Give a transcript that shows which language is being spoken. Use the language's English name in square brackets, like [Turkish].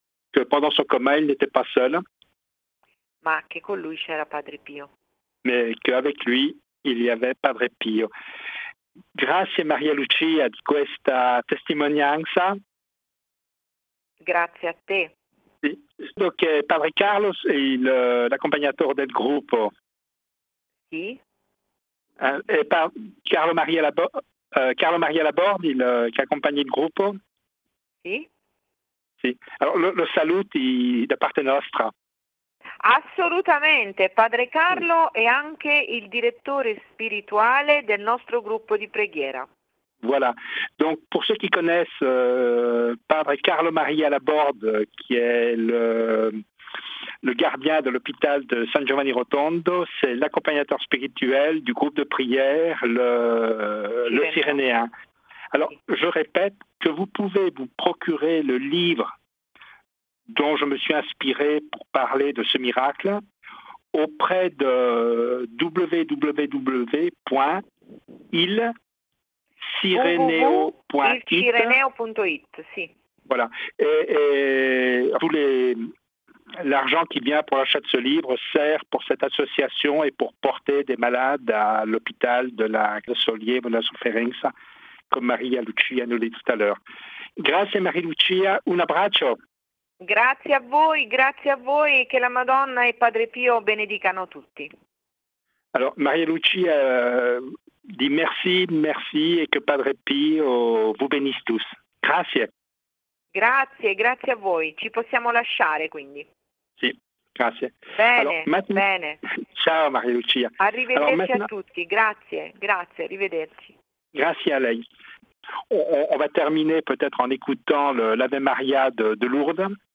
[French] Que pendant son coma, il n'était pas seul. [Italian] Ma che con lui c'era Padre Pio. [French] Mais qu'avec lui, il y avait Padre Pio. [Italian] Grazie Maria Lucia di questa testimonianza. Grazie a te. Sì. Donc, Padre Carlos è l'accompagnatore del gruppo. Sì. E Carlo Maria Laborde, che accompagna il gruppo. Sì. Sì. Allora, lo saluti da parte nostra. Assolutamente, Padre Carlo è anche il direttore spirituale del nostro gruppo di preghiera. [French] Voilà. Donc pour ceux qui connaissent Padre Carlo Maria Laborde, qui est le gardien de l'hôpital de San Giovanni Rotondo, c'est l'accompagnateur spirituel du groupe de prière le Cyrénéen. Alors, je répète que vous pouvez vous procurer le livre dont je me suis inspiré pour parler de ce miracle auprès de www.ilcireneo.it. [Italian] Si. [French] Voilà. Et l'argent qui vient pour l'achat de ce livre sert pour cette association et pour porter des malades à l'hôpital de la Solier, de la Sofferenza, come Maria Lucia nous l'a dit tout à l'heure. [Italian] Grazie Maria Lucia, un abbraccio. Grazie a voi e che la Madonna e Padre Pio benedicano tutti. Allora, Maria Lucia, di [French] merci, merci [Italian] e che Padre Pio [French] vous bénisse tous. [Italian] Grazie. Grazie, grazie a voi. Ci possiamo lasciare quindi. Sì, grazie. Bene, allora, bene. Ciao Maria Lucia. Arrivederci allora, a tutti, grazie, grazie, arrivederci. Grazie a lei. [French] On va terminer peut-être en écoutant l'Ave Maria de Lourdes.